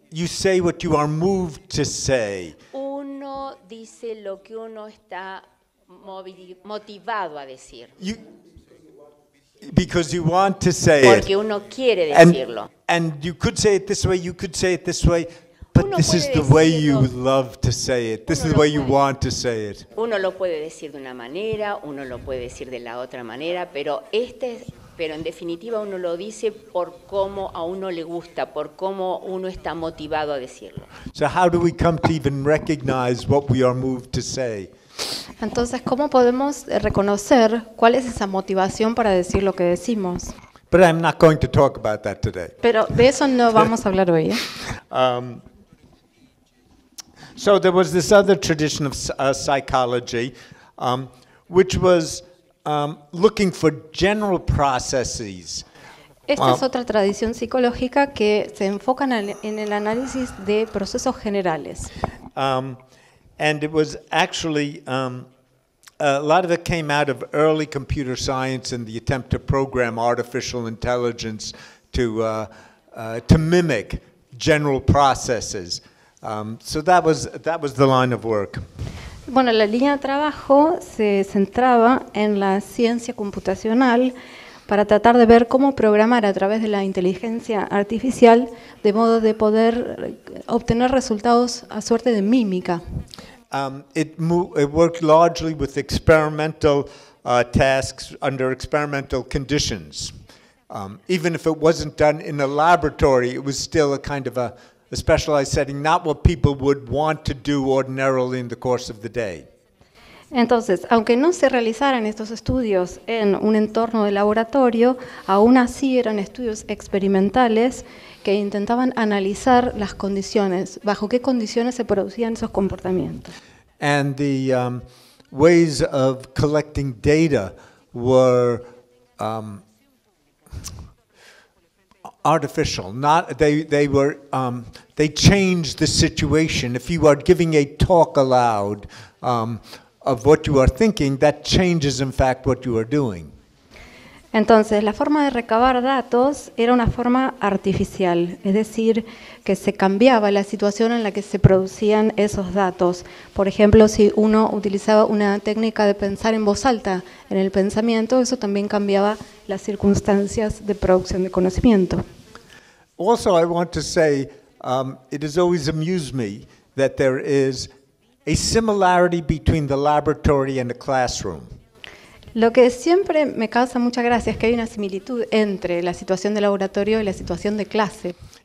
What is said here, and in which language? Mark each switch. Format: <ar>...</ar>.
<en>you say what you are moved to say.</en> <es>Uno dice lo que uno está motivado a decir.</es> <en>Because you want to say it.</en> <es>Porque uno quiere decirlo.</es> <en>And you could say it this way, you could say it this way, but this is the way you love to say it. This is the way you want to say it.</en> <es>Uno lo puede decir de una manera, uno lo puede decir de la otra manera, pero en definitiva uno lo dice por cómo a uno le gusta, por cómo uno está motivado a decirlo.</es> <en>So how do we come to even recognize what we are moved to say?</en> <es>Entonces, ¿cómo podemos reconocer cuál es esa motivación para decir lo que decimos?</es> <en>But I'm not going to talk about that today.</en> <es>Pero de eso no vamos a hablar hoy.</es> <en>So there was this other tradition of psychology, which was looking for general processes.</en> <es>Esta es otra tradición psicológica que se enfoca en el análisis de procesos generales.</es> <en>And it was actually a lot of it came out of early computer science and the attempt to program artificial intelligence to mimic general processes. So that was the line of work.</en> <es>Bueno, la línea de trabajo se centraba en la ciencia computacional para tratar de ver cómo programar a través de la inteligencia artificial de modo de poder obtener resultados a suerte de mímica.</es> <en>It worked largely with experimental tasks under experimental conditions. Even if it wasn't done in a laboratory, it was still a kind of a specialized setting, not what people would want to do ordinarily in the course of the day.</en> <es>Entonces, aunque no se realizaran estos estudios en un entorno de laboratorio, aún así eran estudios experimentales que intentaban analizar las condiciones, bajo qué condiciones se producían esos comportamientos.</es> <en>And the ways of collecting data were artificial. Not they were they changed the situation. If you are giving a talk aloud of what you are thinking, that changes in fact what you are doing.</en> <es>Entonces, la forma de recabar datos era una forma artificial, es decir, que se cambiaba la situación en la que se producían esos datos. Por ejemplo, si uno utilizaba una técnica de pensar en voz alta en el pensamiento, eso también cambiaba las circunstancias de producción de conocimiento.</es> <en>Also, I want to say, it has always amused me that there is a similarity between the laboratory and the classroom.</en> <es>Lo que siempre me causa mucha gracia es que hay una similitud entre la situación de laboratorio y la situación de clase.</es>